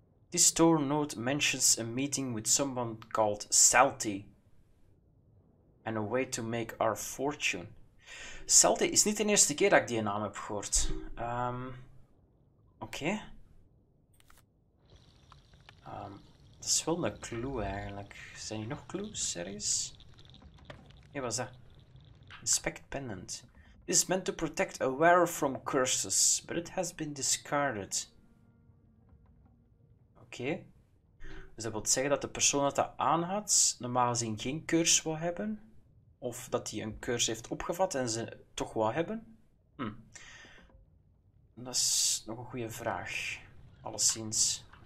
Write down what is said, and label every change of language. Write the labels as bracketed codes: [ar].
[en] This store note mentions a meeting with someone called Salty. And a way to make our fortune. [nl] Salty is niet de eerste keer dat ik die naam heb gehoord. Oké. Dat is wel een clue eigenlijk. Zijn hier nog clues? Serieus? Hey, wat is dat? [en] Inspect pendant. This is meant to protect a wearer from curses, but it has been discarded. [nl] Oké. Dus dat wil zeggen dat de persoon dat aan had, normaal gezien geen curse wil hebben. Of dat hij een curse heeft opgevat en ze toch wil hebben. Dat is nog een goede vraag. Alleszins.